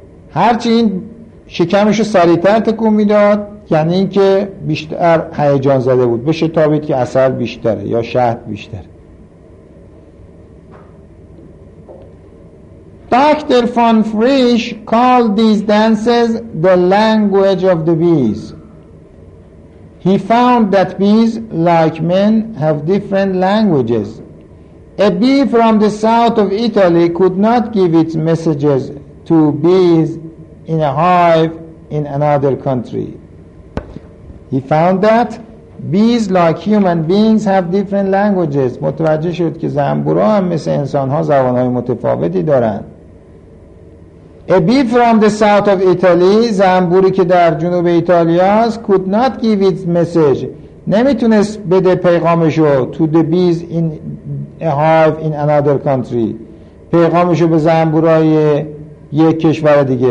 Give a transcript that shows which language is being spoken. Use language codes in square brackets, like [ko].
[fa] هرچی این شکمشو سریع‌تر تکون میداد, یعنی این که بیشتر هیجان زده بود, بشه تابید که عسل بیشتره یا شهد بیشتره. [en] Dr. von Frisch called these dances the language of the bees. He found that bees, like men, have different languages. A bee from the south of Italy could not give its messages to bees in a hive in another country. He found that bees, like human beings, have different languages. [fa] متوجه شد که زنبورا هم مثل انسان‌ها زبان‌های متفاوتی دارند. [en] A bee from the south of Italy, [fa] زنبوری که در جنوب ایتالیا است, [en] could not give its message, [fa] نمیتونست بده پیغامشو, [en] to the bees in a hive in another country, [fa] پیغامشو به زنبورای یک کشور دیگه.